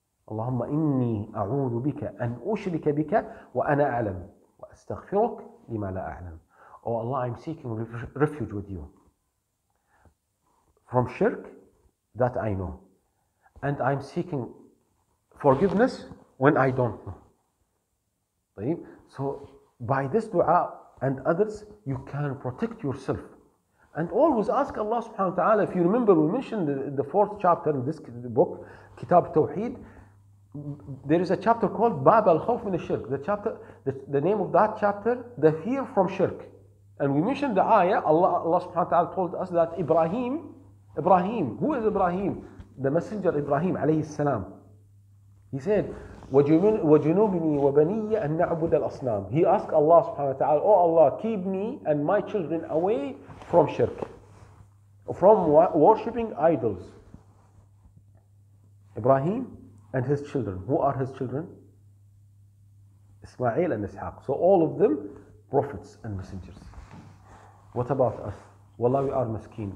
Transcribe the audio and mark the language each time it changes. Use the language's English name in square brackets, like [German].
[Arabic] اللهم إني أعوذ بك أن أشرك بك وأنا أعلم وأستغفرك لما لا أعلم. [English] Oh Allah, I'm seeking refuge with you from shirk that I know, and I'm seeking forgiveness when I don't know. [Arabic] طيب. [English] So by this dua and others, you can protect yourself. And always ask Allah subhanahu wa ta'ala. If you remember, we mentioned the fourth chapter in this book, Kitab Tawheed. There is a chapter called Bab al-Khawf min al-Shirk. The name of that chapter, the fear from shirk. And we mentioned the ayah, Allah subhanahu wa ta'ala told us that Ibrahim, who is Ibrahim? The messenger Ibrahim alayhi salam. He said, [Arabic] وَجُنُوبِنِي وَبَنِيَّ أَن نَعْبُدَ الْأَصْنَامِ. [English] He asked Allah subhanahu wa ta'ala, oh Allah, keep me and my children away from shirk, from worshipping idols. Ibrahim and his children. Who are his children? Ismail and Ishaq. So all of them, prophets and messengers. What about us? Wallah, we are maskeen.